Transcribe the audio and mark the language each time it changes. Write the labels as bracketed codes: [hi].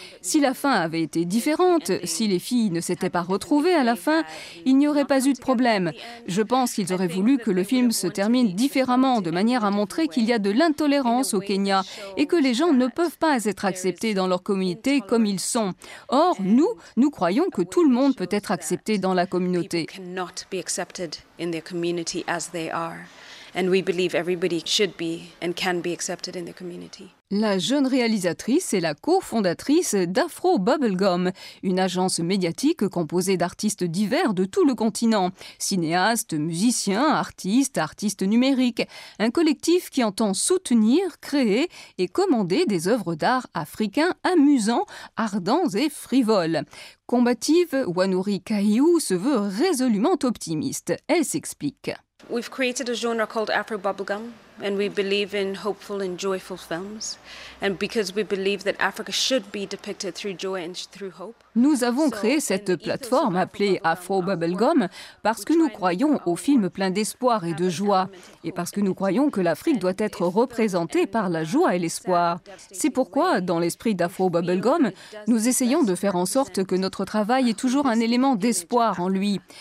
[fr] Si la fin avait été différente, si les filles ne s'étaient pas retrouvées à la fin, il n'y aurait pas eu de problème. Je pense qu'ils auraient voulu que le film se termine différemment, de manière à montrer qu'il y a de l'intolérance au Kenya et que les gens ne peuvent pas être acceptés dans leur communauté comme ils sont. Or, nous, nous croyons Voyons que tout le monde peut être accepté dans la communauté. [en] People cannot be accepted in their community as they are. And we believe everybody should be and can be accepted in the community. [fr] La jeune réalisatrice est la cofondatrice d'Afro Bubblegum, une agence médiatique composée d'artistes divers de tout le continent. Cinéastes, musiciens, artistes, artistes numériques. Un collectif qui entend soutenir, créer et commander des œuvres d'art africains amusants, ardents et frivoles. Combative, Wanuri Kahiu se veut résolument optimiste. Elle s'explique. [en] We've created a genre called Afro Bubblegum, and we believe in hopeful and joyful films, and because we believe that Africa should be depicted through joy and through hope. [fr] Nous avons créé cette plateforme appelée Afro Bubblegum parce que nous croyons aux films pleins d'espoir et de joie, et parce que nous croyons que l'Afrique doit être représentée par la joie et l'espoir. C'est pourquoi, dans l'esprit d'Afro Bubblegum, nous essayons de faire en sorte que notre travail ait toujours un élément d'espoir en lui.